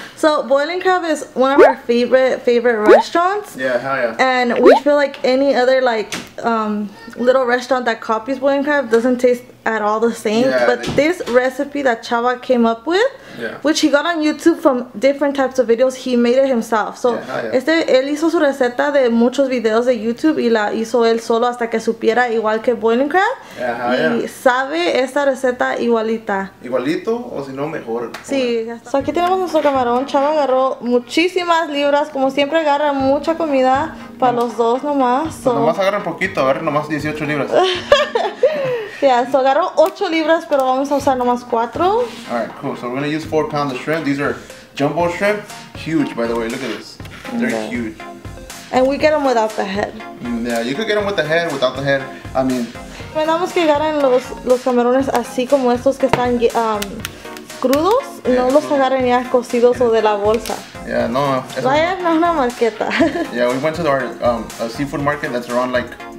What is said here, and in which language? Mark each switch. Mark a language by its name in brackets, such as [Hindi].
[English] So boiling crab is one of our favorite restaurants. Yeah, hell yeah. And we feel like any other like little restaurant that copies boiling crab doesn't taste at all the same. Yeah, but this recipe that Chava came up with, yeah, which he got on YouTube from different types of videos, he made it himself. So yeah, [Spanish] él hizo su receta de muchos videos de YouTube y la hizo él solo hasta que supiera igual que boiling crab. [English] Yeah, [Spanish] y sabe esta receta igualita. Igualito o si no mejor. Sí. So aquí tenemos nuestro camarón. Chava agarró muchísimas libras, como siempre agarra mucha comida para los dos nomás. So. Pues nomás agarra un poquito, a ver, nomás 18 libras. Yeah, so agarro 8 libras, pero vamos a usar nomás 4. [English] Alright, cool. So we're going to use 4 pounds of shrimp. These are jumbo shrimp. Huge, by the way. Look at this. They're huge. And we get them without the head. Yeah, you could get them with the head, without the head. I mean... [Spanish] Esperamos que agarren los camarones así como estos que están crudos. [English] Yeah, [Spanish] no los agarren ya cocidos o de la bolsa. [English] Yeah, no. [Spanish] Vaya, no es una marqueta. [English] Yeah, we went to our a seafood market that's around like...